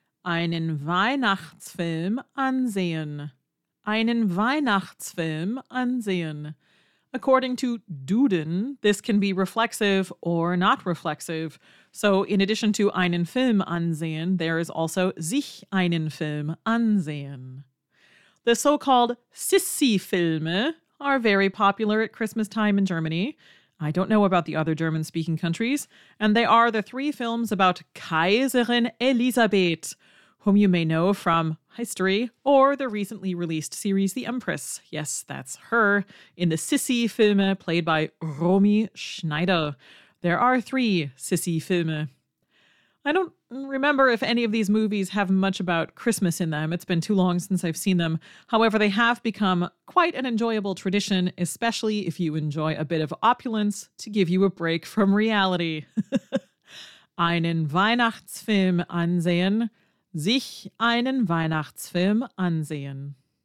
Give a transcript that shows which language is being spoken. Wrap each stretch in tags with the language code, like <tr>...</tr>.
<de>Einen Weihnachtsfilm ansehen. Einen Weihnachtsfilm ansehen.</de> <en>According to Duden, this can be reflexive or not reflexive. So in addition to</en> <de>einen Film ansehen,</de> <en>there is also</en> <de>sich einen Film ansehen.</de> <en>The so-called Sissi-Filme are very popular at Christmas time in Germany. I don't know about the other German-speaking countries. And they are the three films about Kaiserin Elisabeth, whom you may know from history, or the recently released series The Empress. Yes, that's her, in the Sissi-Filme played by Romy Schneider. There are three Sissi-Filme. I don't remember if any of these movies have much about Christmas in them. It's been too long since I've seen them. However, they have become quite an enjoyable tradition, especially if you enjoy a bit of opulence to give you a break from reality.</en> <de>Einen Weihnachtsfilm ansehen. Sich einen Weihnachtsfilm ansehen.</de>